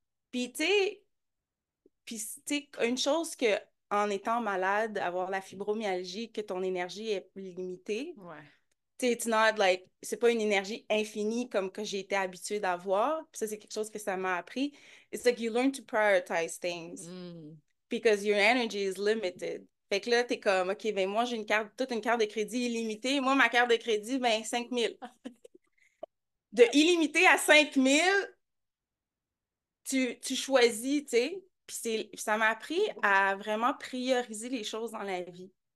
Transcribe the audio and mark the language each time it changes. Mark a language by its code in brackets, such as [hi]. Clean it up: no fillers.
[fr] Puis, tu sais, une chose que, en étant malade, avoir la fibromyalgie, que ton énergie est limitée, c'est pas une énergie infinie comme que j'ai été habituée d'avoir. Ça, c'est quelque chose que ça m'a appris. [en] It's like you learn to prioritize things because your energy is limited. [fr] Fait que là, t'es comme, OK, ben moi, j'ai une carte, toute une carte de crédit illimitée. Moi, ma carte de crédit, ben 5 000. De illimité à 5 000, tu choisis, tu sais. Puis ça m'a appris à vraiment prioriser les choses dans la vie.